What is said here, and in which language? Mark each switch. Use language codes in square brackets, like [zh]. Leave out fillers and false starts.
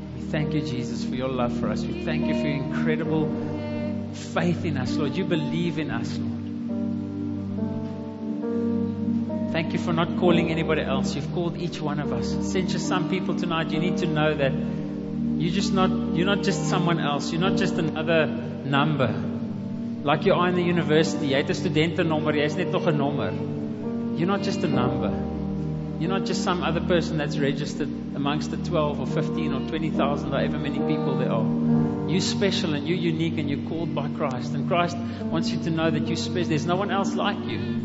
[en] Thank you, Jesus, for your love for us. We thank you for your incredible faith in us, Lord. You believe in us, Lord. Thank you for not calling anybody else. You've called each one of us. Since you're some people tonight, you need to know that you're not just someone else. You're not just another number. Like you are in the university. [af] Jy het 'n studentenommer, jy is net nog 'n nommer. [en] You're not just a number. You're not just some other person that's registered amongst the 12 or 15 or 20,000 or however many people there are. You're special and you're unique and you're called by Christ. And Christ wants you to know that you're special. There's no one else like you.